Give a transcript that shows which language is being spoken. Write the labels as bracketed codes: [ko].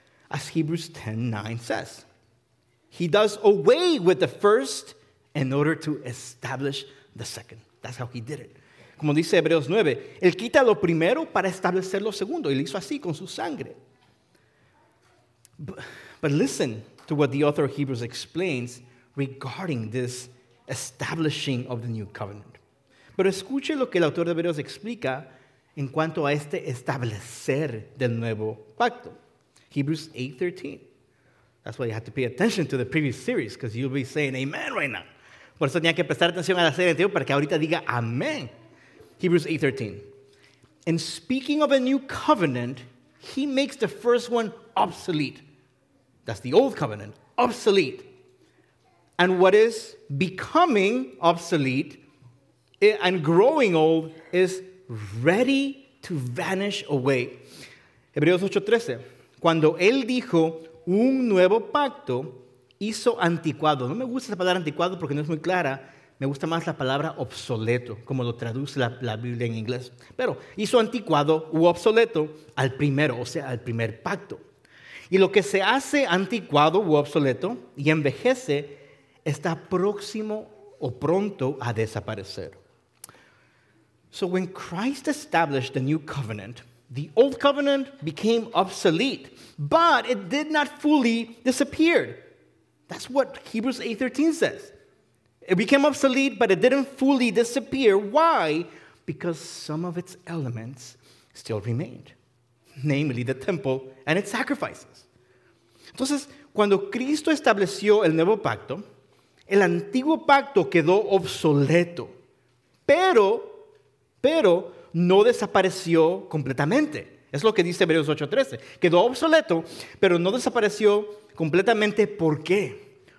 [en] As Hebrews 10:9 says, he does away with the first in order to establish the second. That's how he did it. [es] Como dice Hebreos 9, él quita lo primero para establecer lo segundo, y lo hizo así, con su sangre. [en] But listen to what the author of Hebrews explains regarding this establishing of the new covenant. [es] Pero escuche lo que el autor de Hebreos explica en cuanto a este establecer del nuevo pacto. [en] Hebrews 8:13. That's why you have to pay attention to the previous series, because you'll be saying amen right now. [es] Por eso tenía que prestar atención a la serie anterior para que ahorita diga amén. [en] Hebrews 8:13. And speaking of a new covenant, he makes the first one obsolete. That's the old covenant, obsolete. And what is becoming obsolete and growing old is ready to vanish away. [es] Hebreos 8:13. Cuando él dijo un nuevo pacto, hizo anticuado. No me gusta la palabra anticuado porque no es muy clara. Me gusta más la palabra obsoleto, como lo traduce la Biblia en inglés. Pero hizo anticuado u obsoleto al primero, o sea, al primer pacto. Y lo que se hace anticuado u obsoleto y envejece está próximo o pronto a desaparecer. [en] So when Christ established the new covenant, the old covenant became obsolete, but it did not fully disappear. That's what Hebrews 8:13 says. It became obsolete, but it didn't fully disappear. Why? Because some of its elements still remained, namely the temple and its sacrifices. [es] Entonces, cuando Cristo estableció el nuevo pacto, el antiguo pacto quedó obsoleto, pero no desapareció completamente. Es lo que dice Hebreos 8:13. Quedó obsoleto, pero no desapareció completamente. ¿Por qué?